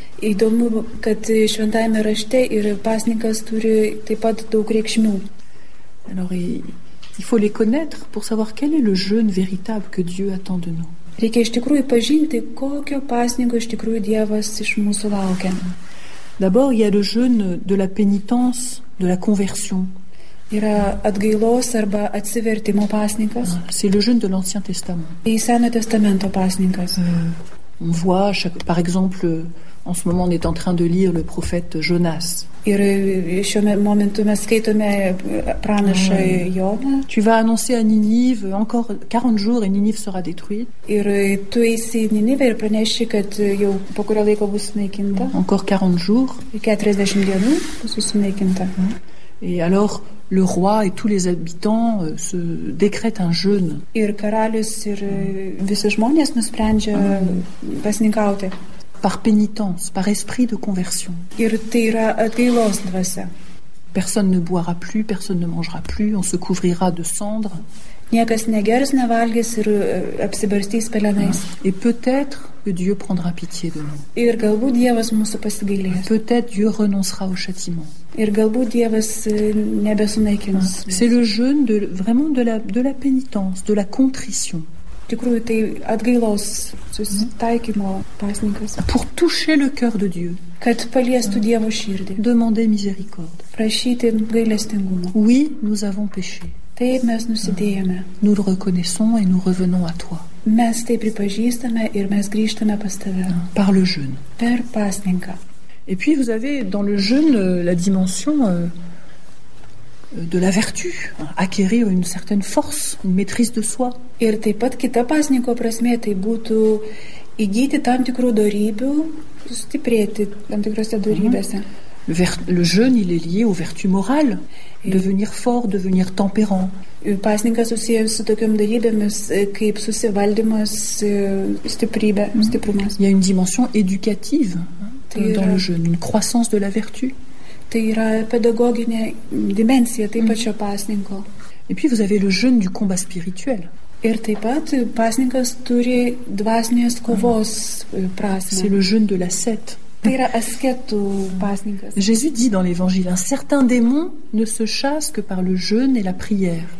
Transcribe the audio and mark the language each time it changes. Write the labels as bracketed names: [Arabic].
[Lithuanian] Įdomu, kad šventajame rašte ir pasninkas turi taip pat daug reikšmių. [French] Alors, il faut les connaître pour savoir quel est le jeûne véritable que Dieu attend de nous. [Lithuanian] Reikia iš tikrųjų pažinti, kokio pasninko iš tikrųjų Dievas iš mūsų laukia. [French] D'abord, il y a le jeûne de la pénitence, de la conversion. [Lithuanian] Yra atgailos arba atsivertimo pasninkas. [French] C'est le jeûne de l'Ancien Testament. [Lithuanian] Tai Seno Testamento pasninkas. [French] On voit, par exemple, en ce moment, on est en train de lire le prophète Jonas. [Lithuanian] Ir šiuo momentu mes skaitome pranašą Joną. [French] Tu vas annoncer à Ninive encore 40 jours et Ninive sera détruite. [Lithuanian] Ir tu eisi į Ninivę ir praneši, kad jau po kurio laiko bus sunaikinta. [French] Encore 40 jours. [Lithuanian] 40 dienų bus sunaikinta. [French] Et alors le roi et tous les habitants se décrètent un jeûne. [Lithuanian] Ir karalius ir visi žmonės nusprendžia pasninkauti. [French] par pénitence, par esprit de conversion. [Lithuanian] Ir tai yra atgailos dvasia. [French] Personne ne boira plus, personne ne mangera plus, on se couvrira de cendres. [Lithuanian] Niekas negers, nevalgys ir apsibarstys pelenais. [French] Et peut-être que Dieu prendra pitié de nous. [Lithuanian] Ir galbūt Dievas mūsų pasigailės. [French] Peut-être Dieu renoncera au châtiment. [Lithuanian] Ir galbūt Dievas nebesunaikins. [French] C'est le jeûne de vraiment de la pénitence, de la contrition. [Lithuanian] Tikrųjų tai atgailos susitaikymo pasninkas. [French] Pour toucher le cœur de Dieu. [Lithuanian] Kad paliestų Dievo širdį. [French] Demander miséricorde. [Lithuanian] Prašyti gailestingumo. [French] Oui, nous avons péché. [Lithuanian] Taip, mes nusidėjome. [French] Nous le reconnaissons et nous revenons à toi. [Lithuanian] Mes tai pripažįstame ir mes grįžtame pas tave. [French] Par le jeûne. [Lithuanian] Per pasninką. [French] Et puis vous avez dans le jeûne la dimension de la vertu, acquérir une certaine force, une maîtrise de soi. [Lithuanian] Ir taip pat kita pasninko prasmė, tai būtų įgyti tam tikrų dorybių, sustiprėti tam tikrose dorybėse. [French] Le jeûne, il est lié aux vertus morales, devenir fort, devenir tempérant. [Lithuanian] Pasninkas susijęs su tokiom dalybėmis, kaip susivaldymas, stiprybė, stiprumas. [French] Il y a une dimension éducative dans le jeûne, une croissance de la vertu. [Lithuanian] Tai yra pedagoginė dimensija, taip pat šio pasninko. [French] Et puis vous avez le jeûne du combat spirituel. [Lithuanian] Ir taip pat pasninkas turi dvasinės kovos prasmę. [French] C'est le jeûne de la sète. [Lithuanian] Tai yra asketų pasninkas. [French] Jésus dit dans l'évangile, un certain démon ne se chasse que par le jeûne et la prière.